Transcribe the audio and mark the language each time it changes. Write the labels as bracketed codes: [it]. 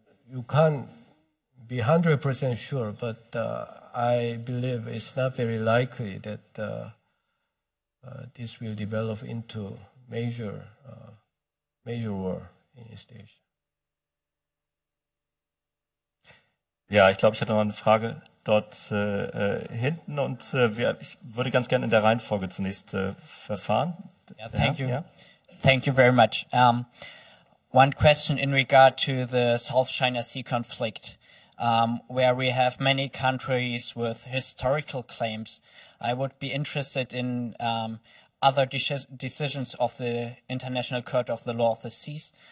[en] You can't be 100% sure, but I believe it's not very likely that this will develop into major major war in East Asia. [de] Ja, ich glaube, ich hatte noch eine Frage dort hinten und ich würde ganz gerne in der Reihenfolge zunächst verfahren. [en] Yeah, thank you. Yeah. Thank you very much. One question in regard to the South China Sea conflict, where we have many countries with historical claims. I would be interested in other decisions of the International Court of the Law of the Seas.